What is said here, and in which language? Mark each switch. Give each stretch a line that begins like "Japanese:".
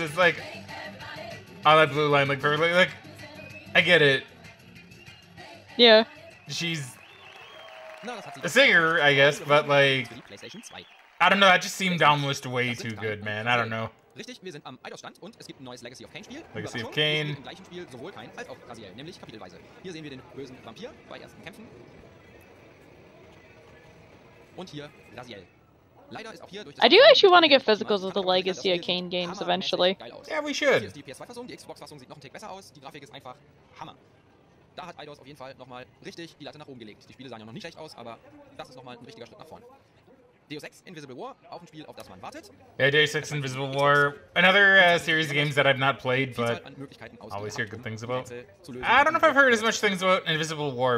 English: It's like, oh, that blue line looked perfectly. Like, I get it. Yeah. She's a singer, I guess, but like, I don't know. That just seemed almost way too good, man. I don't know.
German: Richtig, wir sind am Eiderstand und es gibt ein neues Legacy of Kane Spiel. Legacy of Kane. Im gleichen Spiel sowohl Kane als auch Raziel, nämlich kapitelweise. Hier sehen wir den bösen Vampir bei ersten Kämpfen. Und hier Raziel. Leider ist auch hier durch das
English: I do actually want to get physicals of the Legacy of Kane games eventually. Yeah, we should.
German: Hier ist die PS2-Fassung, die Xbox-Fassung sieht noch ein Tick besser aus. Die Grafik ist einfach Hammer. Da hat Eidos auf jeden Fall nochmal richtig die Latte nach oben gelegt. Die Spiele sahen ja noch nicht schlecht aus, aber das ist nochmal ein richtiger Schritt nach vorne. Deus Ex Invisible War, auch ein Spiel, auf das man wartet.
English: Yeah, Deus Ex Invisible War, another series of games that I've not played, but always hear good things about. I don't know if I've heard as much things about Invisible War.